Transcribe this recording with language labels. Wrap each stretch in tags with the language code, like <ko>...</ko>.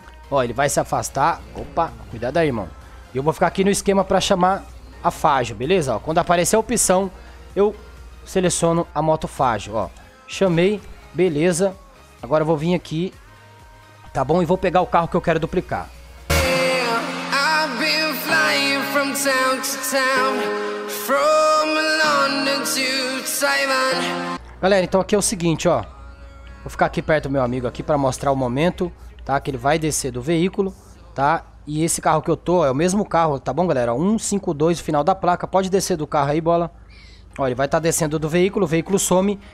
<pt>Ó, ele vai se afastar. Opa, cuidado aí, irmão. E eu vou ficar aqui no esquema pra chamar a Fágio, beleza? Ó, quando aparecer a opção, eu seleciono a moto Fágio, ó. Chamei, Beleza. Agora eu vou vir aqui. Tá bom? E vou pegar o carro que eu quero duplicar.</pt> <en>Yeah, I've been flying from town to town, from London to Taiwan.</en> <pt>Galera, então aqui é o seguinte, ó. Vou ficar aqui perto do meu amigo aqui pra mostrar o momento, tá? Que ele vai descer do veículo, tá? E esse carro que eu tô é o mesmo carro, tá bom, galera? 152, o final da placa. Pode descer do carro aí, bola. Ó, ele vai estar descendo do veículo, o veículo some.</pt>